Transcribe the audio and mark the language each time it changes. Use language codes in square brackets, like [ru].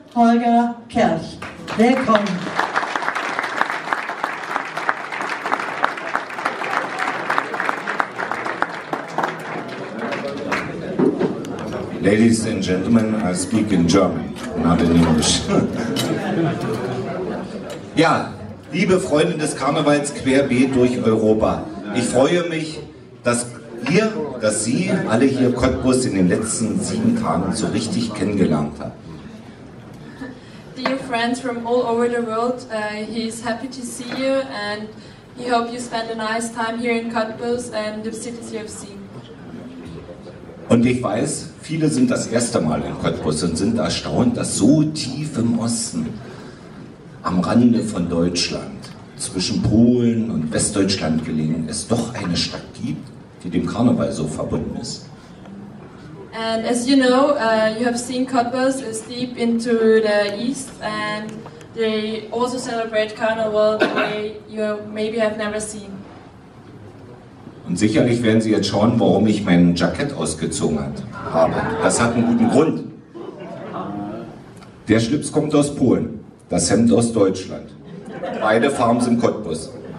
[en] Holger Kerch. Welcome. Ladies and gentlemen, I speak in German, not in English. [de] Ja, liebe Freunde des Karnevals querbeet durch Europa, ich freue mich, dass Sie alle hier Cottbus in den letzten 7 Tagen so richtig kennengelernt haben. [en] Dear friends from all over the world, he is happy to see you and he hope you spend a nice time here in Cottbus and the cities you have seen. [de] Und ich weiß, viele sind das erste Mal in Cottbus und sind erstaunt, dass so tief im Osten, am Rande von Deutschland, zwischen Polen und Westdeutschland gelegen, es doch eine Stadt gibt, die dem Karneval so verbunden ist. [en] And as you know, you have seen Cottbus is deep into the east and they also celebrate Carnival the way you maybe have never seen. [de] Und sicherlich werden Sie jetzt schauen, warum ich mein Jackett ausgezogen habe. Das hat einen guten Grund. Der Schlips kommt aus Polen, das Hemd aus Deutschland. Beide Farben sind Cottbus.